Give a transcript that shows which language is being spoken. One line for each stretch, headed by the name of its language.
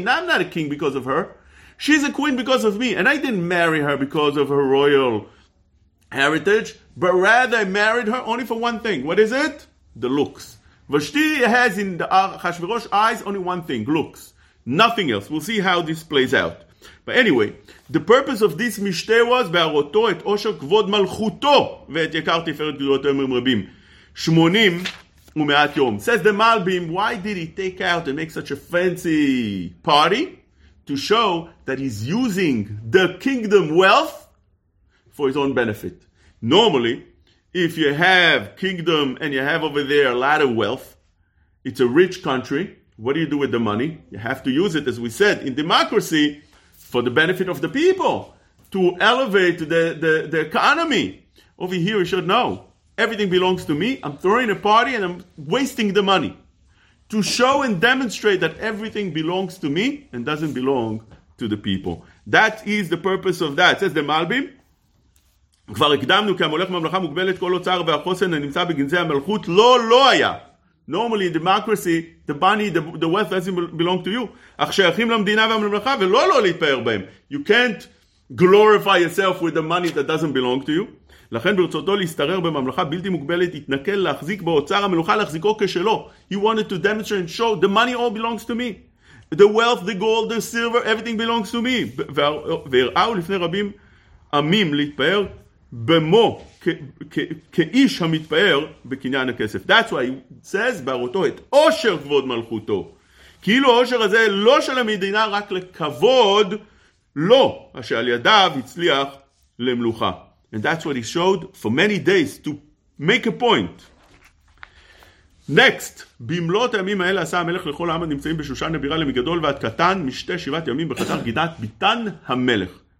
English: Now I'm not a king because of her. She's a queen because of me. And I didn't marry her because of her royal heritage, but rather I married her only for one thing. What is it? The looks. Vashti has in the Ahasuerus' eyes only one thing, looks. Nothing else. We'll see how this plays out. But anyway, the purpose of this mishteh was
Hebrew: בהראותו את עושר כבוד מלכותו ואת יקר תפארת גדולותו ימים רבים. 80 ומעט יום.
English: Says the Malbim, why did he take out and make such a fancy party? To show that he's using the kingdom wealth for his own benefit. Normally, if you have kingdom and you have over there a lot of wealth, it's a rich country, what do you do with the money? You have to use it, as we said, in democracy, for the benefit of the people, to elevate the economy. Over here, you should know, everything belongs to me, I'm throwing a party and I'm wasting the money. To show and demonstrate that everything belongs to me and doesn't belong to the people. That is the purpose of that. It says the Malbim,
Hebrew: כבר הקדמנו כי המולך ממלכה מוגבלת כל אוצר והחוסן הנמצא בגנזי המלכות לא היה.
English: Normally in democracy, the money, the wealth doesn't belong to you.
Hebrew: אך שייכים למדינה והממלכה ולא להתפאר בהם.
English: You can't glorify yourself with the money that doesn't belong to you.
Hebrew: לכן ברצותו להסתרר בממלכה בלתי מוגבלת, התנכל להחזיק באוצר המלוכה להחזיקו כשלו.
English: He wanted to demonstrate and show the money all belongs to me. The wealth, the gold, the silver, everything belongs to me.
Hebrew: והראו לפני רבים עמים להתפאר במו כאיש המתפאר בקניין הכסף.
English: That's why he says
Hebrew: בהראותו את עושר כבוד מלכותו. כאילו העושר הזה לא של המדינה, רק לכבוד לו, אשר על ידיו הצליח למלוכה.
English: And that's what he showed for many days to make a point. Next,
Hebrew: במלות הימים האלה עשה המלך לכל העם הנמצאים בשושן הבירה למגדול ועד קטן, משתי שבעת ימים בחדר גינת ביתן המלך.